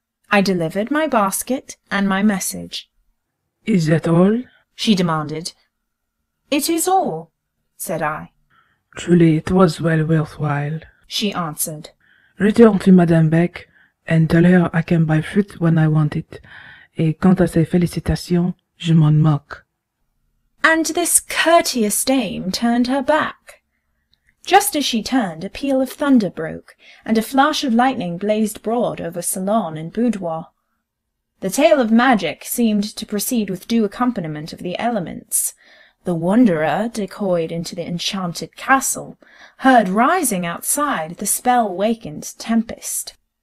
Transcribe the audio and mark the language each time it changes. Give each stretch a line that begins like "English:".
English: I delivered my basket and my message. "Is that all?" she demanded. "It is all," said I. "Truly, it was well worthwhile," she answered. "Return to Madame Beck, and tell her I can buy fruit when I want it.
French: Et quant à ses félicitations, je m'en moque."
English: And this courteous dame turned her back. Just as she turned, a peal of thunder broke, and a flash of lightning blazed broad over salon and boudoir. The tale of magic seemed to proceed with due accompaniment of the elements. The wanderer, decoyed into the enchanted castle, heard rising outside the spell-wakened tempest.